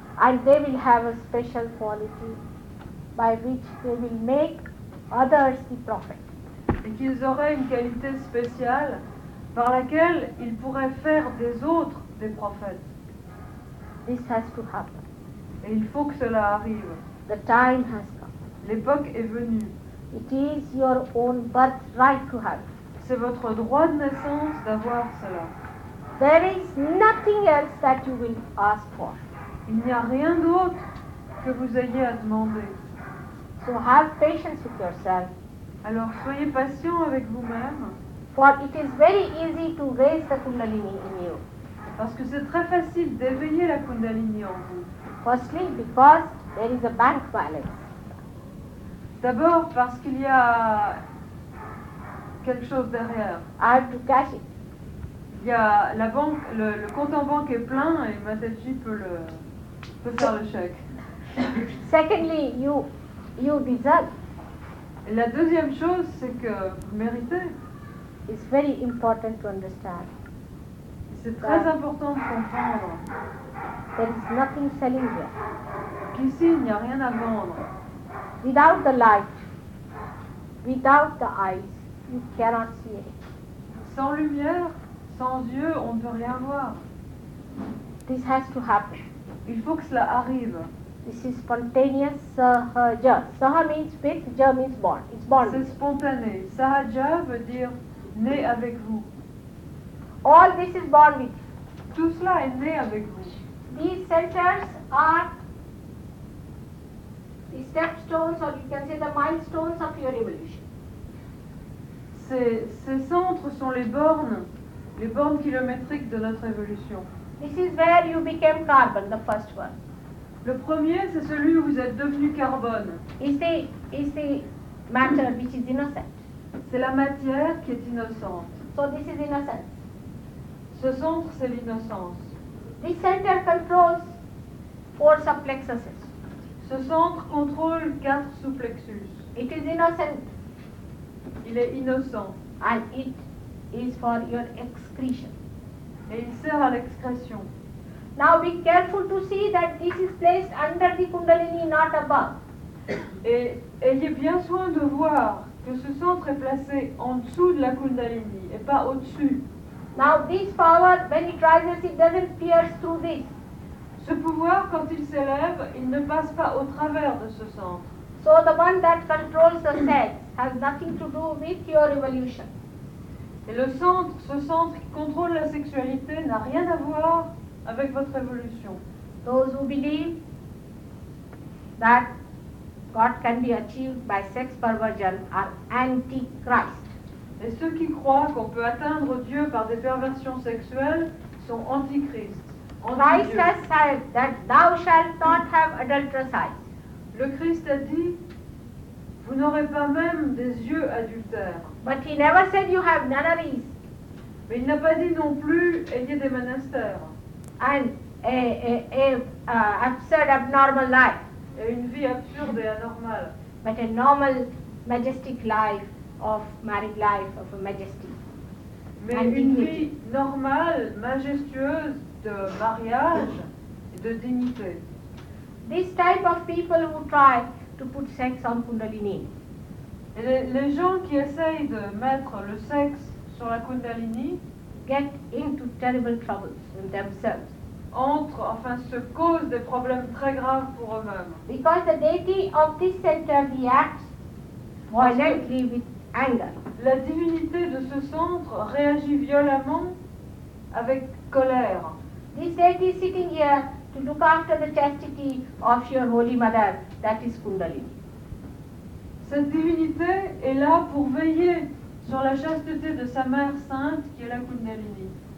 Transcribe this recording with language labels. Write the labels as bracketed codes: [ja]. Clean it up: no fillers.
[en] And they will have a special quality by which they will make others the prophet. [fr] Et qu'ils auraient une qualité spéciale par laquelle ils pourraient faire des autres des prophètes. [en] This has to happen. [fr] Et il faut que cela arrive. [en] The time has come. [fr] L'époque est venue. [en] It is your own birthright to have. [fr] C'est votre droit de naissance d'avoir cela. [en] There is nothing else that you will ask for. [fr] Il n'y a rien d'autre que vous ayez à demander. [en] So have patience with yourself. [fr] Alors soyez patient avec vous-même. [en] For it is very easy to raise the kundalini in you. [fr] Parce que c'est très facile d'éveiller la kundalini en vous. [en] Firstly, because there is a bank balance. [fr] D'abord parce qu'il y a quelque chose derrière. [en] I have to cash it. [fr] Il y a la banque, le compte en banque est plein et Mataji peut faire le chèque. [en] Secondly, you deserve. [fr] Et la deuxième chose, c'est que vous méritez. [en] It's very important to understand. [fr] C'est très important de comprendre. [en] There is nothing selling here. [fr] Qu'ici, il n'y a rien à vendre. [en] Without the light, without the eyes, you cannot see it. [fr] Sans lumière, sans yeux, on ne peut rien voir. [en] This has to happen. [fr] Il faut que cela arrive. [en] This is spontaneous sahaja. Saha means with, ja means born. It's born. [fr] C'est spontané. Sahaja veut dire né avec vous. [en] All this is born with. [fr] Tout cela est né avec vous. [en] These centers are the stepstones, or you can say the milestones of your evolution. [fr] Ces centres sont les bornes kilométriques de notre évolution. [en] This is where you became carbon, the first one. [fr] Le premier, c'est celui où vous êtes devenu carbone. [en] Is the matter which is innocent. [fr] C'est la matière qui est innocente. [en] So this is innocent. [fr] Ce centre, c'est l'innocence. [en] This center controls four subplexuses. [fr] Ce centre contrôle quatre sous-plexus. [en] It is innocent. [fr] Il est innocent. [en] And it is for your excretion. [fr] Et il sert à l'excrétion. [en] Now be careful to see that this is placed under the kundalini, not above. [fr] Et ayez bien soin de voir que ce centre est placé en dessous de la kundalini et pas au-dessus. [en] Now this power, when it rises, it doesn't pierce through this. [fr] Ce pouvoir, quand il s'élève, il ne passe pas au travers de ce centre. [en] So the one that controls the cells has nothing to do with your evolution. [fr] Et le centre, ce centre qui contrôle la sexualité, n'a rien à voir avec votre évolution. [en] Those who believe that God can be achieved by sex perversion are anti-Christ. [fr] Et ceux qui croient qu'on peut atteindre Dieu par des perversions sexuelles sont anti-Christ. [en] Christ has said that thou shalt not have adulterous eyes. [fr] Le Christ a dit, vous n'aurez pas même des yeux adultères. [en] But he never said you have nunneries. [fr] Mais il n'a pas dit non plus, ayez des monastères. [en] And an absurd, abnormal life. [fr] Et une vie absurde et anormale. [en] But a normal, majestic life of married life of a majesty. [fr] Mais [en] and [fr] une [en] dignity. [fr] Vie normale, majestueuse de mariage et de dignité. [en] This type of people who try to put sex on kundalini. [fr] Les gens qui essayent de mettre le sexe sur la kundalini [en] get into terrible troubles in themselves. [fr] Se cause des problèmes très graves pour eux-mêmes. [en] Because the deity of this center reacts violently with anger. [fr] La divinité de ce centre réagit violemment avec colère. [en] This deity is sitting here to look after the chastity of your holy mother, that is Kundalini. [fr] Cette divinité est là pour veiller sur la chasteté de sa mère sainte, qui est la Kundalini.